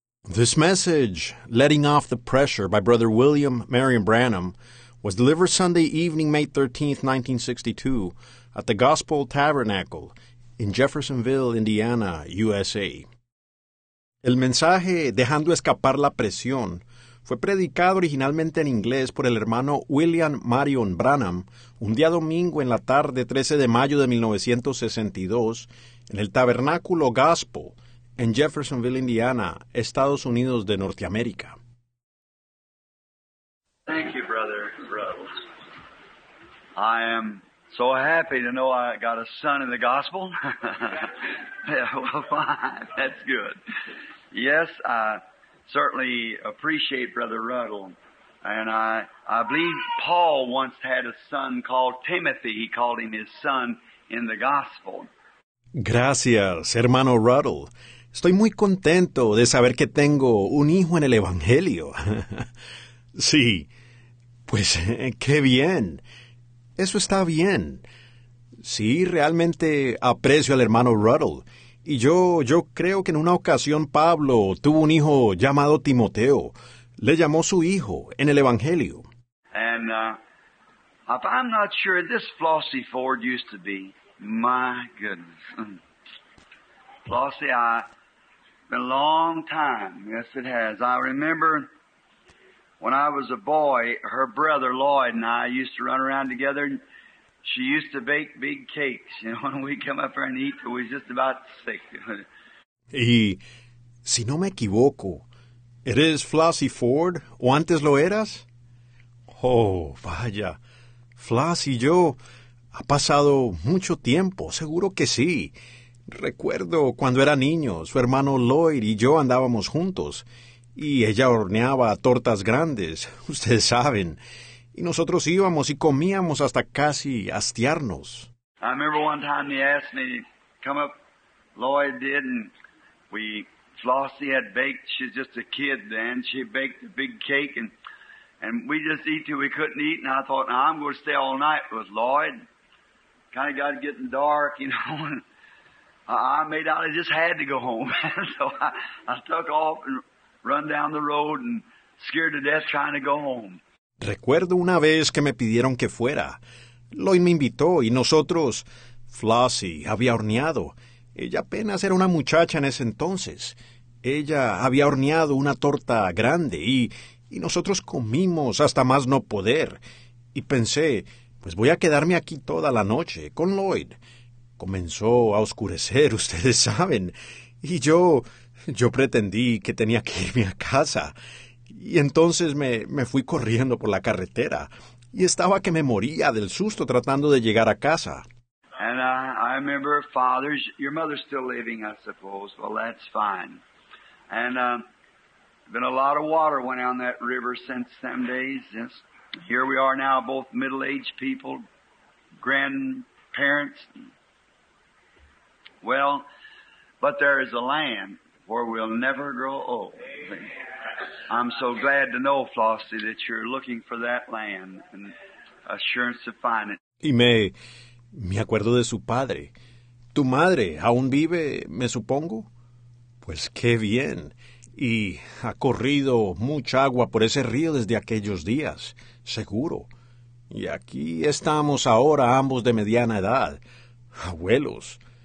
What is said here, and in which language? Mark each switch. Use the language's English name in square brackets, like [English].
[English] This message, Letting Off the Pressure, by Brother William Marion Branham, was delivered Sunday evening, May 13, 1962, at the Gospel Tabernacle in Jeffersonville, Indiana, USA. [Spanish] El mensaje, Dejando Escapar la Presión, fue predicado originalmente en inglés por el hermano William Marion Branham un día domingo en la tarde 13 de mayo de 1962 en el Tabernáculo Gospel, en Jeffersonville, Indiana, Estados Unidos de Norteamérica. [English] Thank you, brother Ruddles. I am so happy to know I got a son in the gospel. Yeah, well, fine. That's good. Yes, I certainly appreciate brother Ruddle. And I believe Paul once had a son called Timothy. He called him his son in the gospel. [Spanish] Gracias, hermano Ruddle. Estoy muy contento de saber que tengo un hijo en el Evangelio. Sí, pues qué bien. Eso está bien. Sí, realmente aprecio al hermano Ruddle. Y yo creo que en una ocasión Pablo tuvo un hijo llamado Timoteo. Le llamó su hijo en el Evangelio. [English] I'm not sure this Flossie Ford used to be. My goodness. Flossie, been a long time. Yes, it has. I remember when I was a boy, her brother Lloyd and I used to run around together, and she used to bake big cakes. You know, when we'd come up here and eat, we was just about sick. [Spanish] Y, si no me equivoco, ¿eres Flossie Ford, o antes lo eras? Oh, vaya. Flossie y yo, ha pasado mucho tiempo, seguro que sí. Recuerdo cuando era niño, su hermano Lloyd y yo andábamos juntos, y ella horneaba tortas grandes, ustedes saben, y nosotros íbamos y comíamos hasta casi hastiarnos. [English] I remember one time he asked me, come up, Lloyd did, and Flossie had baked, she's just a kid then, she baked a big cake, and we just eat till we couldn't eat, and I thought, now I'm going to stay all night with Lloyd. Kind of got getting dark, you know, I made out I just had to go home. So I took off and run down the road and scared to death trying to go home. [Spanish] Recuerdo una vez que me pidieron que fuera. Lloyd me invitó y nosotros, Flossie, había horneado. Ella apenas era una muchacha en ese entonces. Ella había horneado una torta grande y nosotros comimos hasta más no poder. Y pensé, pues voy a quedarme aquí toda la noche con Lloyd. Comenzó a oscurecer, ustedes saben, y yo pretendí que tenía que irme a casa. Y entonces me fui corriendo por la carretera, y estaba que me moría del susto tratando de llegar a casa. [English] And I remember father's, your mother's still living, I suppose. Well, that's fine. And been a lot of water went down that river since them days. Yes. Here we are now, both middle-aged people, grandparents. Well, but there is a land where we'll never grow old. I'm so glad to know, Flossie, that you're looking for that land and assurance to find it. [Spanish] Y me acuerdo de su padre. ¿Tu madre aún vive, me supongo? Pues qué bien. Y ha corrido mucha agua por ese río desde aquellos días, seguro. Y aquí estamos ahora, ambos de mediana edad, abuelos.